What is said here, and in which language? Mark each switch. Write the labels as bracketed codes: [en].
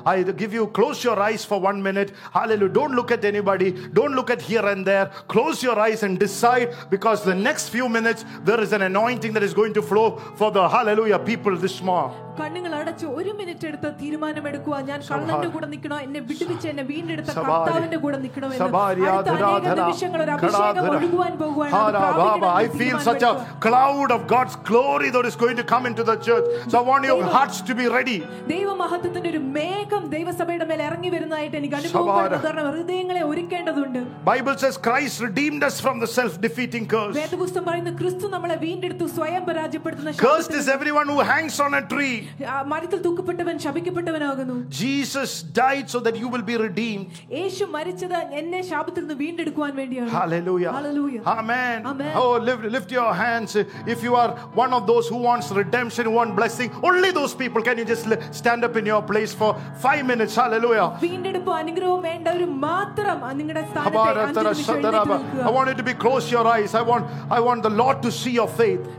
[en] I give you, close your eyes for 1 minute. Hallelujah. Don't look at anybody, don't look at here and there. Close your eyes and decide, because the next few minutes there is an anointing that is going to flow for the hallelujah people this morning. [ml] കണ്ണുകൾ അടച്ച് ഒരു minute എടുത്ത് തീരുമാനമെടുക്കുക. ഞാൻ കള്ളന്റെ കൂടെ നിൽക്കണോ, എന്നെ വിടുവിച്ച് എന്നെ വീണ്ടെടുത്ത കർത്താവിന്റെ കൂടെ നിൽക്കണോ എന്ന്. അടുത്ത അനേക നിമിഷങ്ങൾ ഒരു അഭിഷേകം ഒഴുകുവാൻ പോകുവാണ്. [en] I feel such a cloud of God's glory that is going to come into the church, so I want your hearts to be ready. [ml] ദൈവമഹത്വത്തിന്റെ ഒരു മേഘം ദൈവസഭയുടെ മേൽ ഇറങ്ങി വരുന്നതായിട്ട് എനിക്ക് അനുഭവപ്പെടുന്നു. കാരണം ഹൃദയങ്ങളെ ഒരുക്കേണ്ടതുണ്ട്. [en] Bible says Christ redeemed us from the self defeating curse. [ml] വേദപുസ്തകം പറയുന്നു ക്രിസ്തു നമ്മളെ വീണ്ടെടുത്തു സ്വയം പരാജയപ്പെടുത്തുന്ന ശാപത്തിൽ. [en] Cursed is everyone who hangs on a tree. [ml] മരത്തിൽ തൂക്കപ്പെട്ടവൻ ശപിക്കപ്പെട്ടവനാകുന്നു. [en] Jesus died so that you will be redeemed. [ml] യേശു മരിച്ചത് എന്നെ ശാപത്തിൽ നിന്ന് വീണ്ടെടുക്കാൻ വേണ്ടിയാണ്. [en] Hallelujah. Hallelujah. Amen. Amen. Oh, lift your hands if you are one of those who wants redemption, who want blessing. Only those people, can you just stand up in your place for 5 minutes. Hallelujah. [ml] വീണ്ടെടുപ്പ് അനുഗ്രഹം വേണ്ടവർ മാത്രം നിങ്ങളുടെ സ്ഥാനത്തെ 5 നിമിഷം നിൽക്കുക. [en] I want you to be, close your eyes. I want the Lord to see your faith.